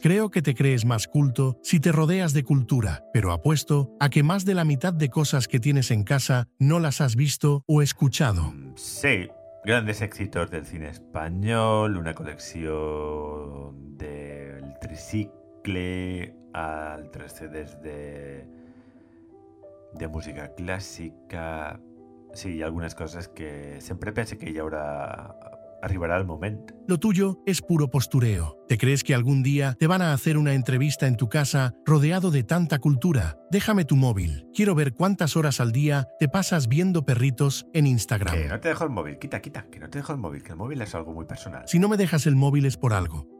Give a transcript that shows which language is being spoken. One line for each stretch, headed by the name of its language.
Spanish: Creo que te crees más culto si te rodeas de cultura, pero apuesto a que más de la mitad de cosas que tienes en casa no las has visto o escuchado. Sí, grandes éxitos del cine español, una col·lecció del tricicle...
Catalan: altres CDs de música clàssica. Sí, hi ha algunes coses que sempre pense que ja haurà arribarà el moment.
Spanish: Lo tuyo es puro postureo. ¿Te crees que algún día te van a hacer una entrevista en tu casa rodeado de tanta cultura? Déjame tu móvil. Quiero ver cuántas horas al día te pasas viendo perritos en Instagram. Que no te dejo el móvil, quita, que no te dejo el móvil, que el móvil es algo muy personal. Si no me dejas el móvil es por algo.